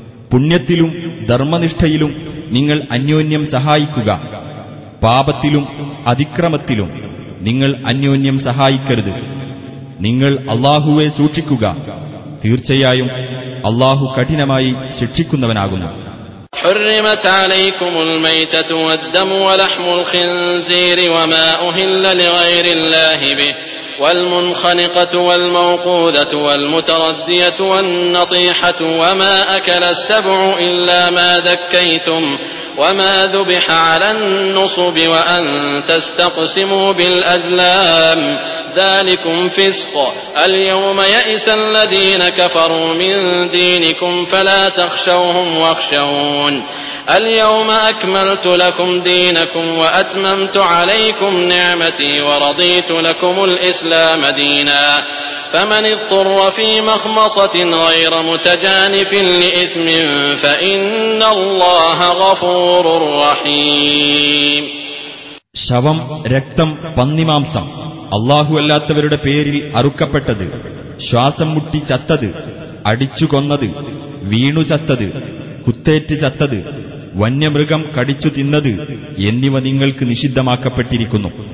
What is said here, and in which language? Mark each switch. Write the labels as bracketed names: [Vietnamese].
[Malayalam] പുണ്യത്തിലും ധർമ്മനിഷ്ഠയിലും നിങ്ങൾ അന്യോന്യം സഹായിക്കുക. പാപത്തിലും അതിക്രമത്തിലും നിങ്ങൾ അന്യോന്യം സഹായിക്കരുത്. നിങ്ങൾ അല്ലാഹുവെ സൂക്ഷിക്കുക. തീർച്ചയായും അല്ലാഹു കഠിനമായി ശിക്ഷിക്കുന്നവനാകുന്നു. [Arabic] حرمت عليكم الميتة والدم ولحم الخنزير وما أهل لغير الله به والمنخنقة والموقوذة والمتردية والنطيحة وما أكل السبع إلا ما ذكيتم وما ذبح على النصب وأن تستقسموا بالأزلام ذلكم فسق اليوم يئس الذين كفروا من دينكم فلا تخشوهم واخشون اليوم أكملت لكم دينكم وأتممت عليكم نعمتي ورضيت لكم الإسلام دينا فمن اضطر في مخمصة غير متجانف لإثم فإن الله غفور رحيم. [Malayalam] ശവം, രക്തം, പന്നിമാംസം, അല്ലാഹുവല്ലാത്തവരുടെ പേരിൽ അറുക്കപ്പെട്ടത്, ശ്വാസം മുട്ടി ചത്തത്, അടിച്ചു കൊന്നത്, വീണു ചത്തത്, കുത്തേറ്റ് ചത്തത്, വന്യമൃഗം കടിച്ചു തിന്നത് എന്നിവ നിങ്ങൾക്ക് നിഷിദ്ധമാക്കപ്പെട്ടിരിക്കുന്നു.